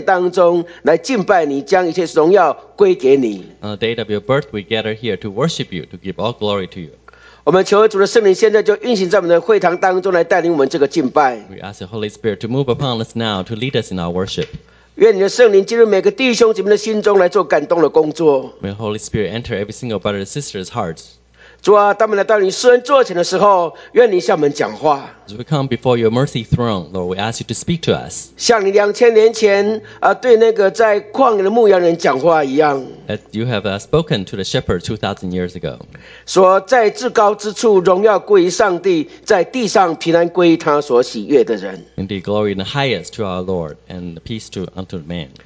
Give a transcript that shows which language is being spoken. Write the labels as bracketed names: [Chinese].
[English] the day of your birth, we gather here to worship you, to give all glory to you. We ask the Holy Spirit to move upon us now to lead us in our worship. May the Holy Spirit enter every single brother and sister's hearts. [Chinese] 主啊, 当我们来到你施恩座前的时候, 愿你向我们讲话。 [English] As we come before your mercy throne, Lord, we ask you to speak to us. [Chinese] 像你2000年前, 对那个在旷野的牧羊人讲话一样。 [English] As you have spoken to the shepherd 2,000 years ago. [Chinese] 说在至高之处, 荣耀归于上帝, 在地上平安归于他所喜悦的人。 [English] Indeed, glory in the highest to our Lord, and peace to unto man.